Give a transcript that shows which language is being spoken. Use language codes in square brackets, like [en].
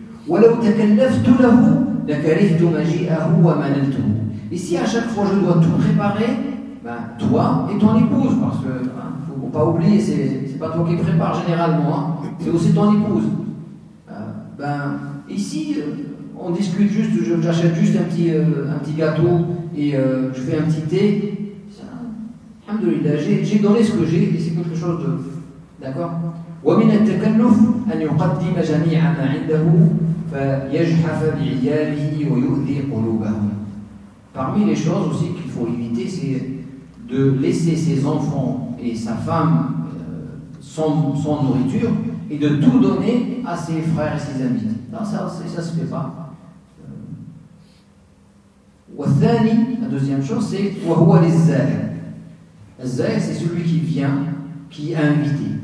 [ar] ولو تكلفت له لكرهت مجيئه ومنلته. [fr] Ici, à chaque fois, je dois tout préparer, ben, toi et ton épouse, parce que, hein, faut pas oublier, c'est pas toi qui prépare généralement, hein, c'est aussi ton épouse. Ben, ici, on discute juste, j'achète juste un petit gâteau et je fais un petit thé. Alhamdulillah, j'ai donné ce que j'ai et c'est quelque chose de. D'accord ? [ar] ومن التكلف أن يقدم جميع ما عنده فيجحف بعياله ويؤذي قلوبهم. [fr] Parmi les choses aussi qu'il faut éviter, c'est de laisser ses enfants et sa femme sans nourriture et de tout donner à ses frères et ses amis. Non, ça se fait pas. والثاني, la deuxième chose, c'est [ar] وهو للزائر. الزائر, [fr] c'est celui qui vient, qui est invité.